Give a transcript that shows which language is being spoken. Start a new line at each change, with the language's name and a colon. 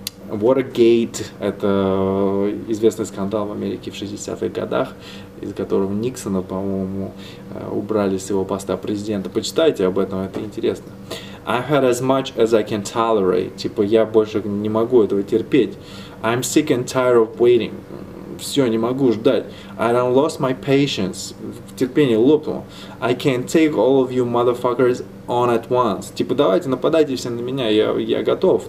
Russian: Watergate — это известный скандал в Америке в 60-х годах, из которого Никсона, по-моему, убрали с его поста президента. Почитайте об этом, это интересно.
English: I've had as much as I can tolerate.
Russian: Типа, я больше не могу этого терпеть.
English: I'm sick and tired of waiting.
Russian: Все, не могу ждать.
English: I done lost my patience.
Russian: Терпение лопнуло.
English: I can't take all of you motherfuckers on at once.
Russian: Типа, давайте, нападайте все на меня, я готов.